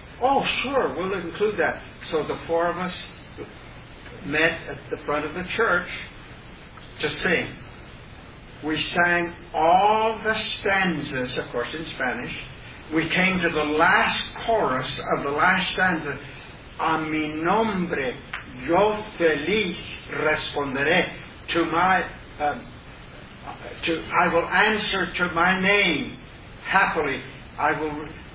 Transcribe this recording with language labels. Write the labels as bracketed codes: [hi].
[en] Oh, sure, we'll include that. So the four of us met at the front of the church to sing. We sang all the stanzas, of course, in Spanish. We came to the last chorus of the last stanza. [es] A mi nombre, yo feliz responderé. [en] I will answer to my name happily. I will.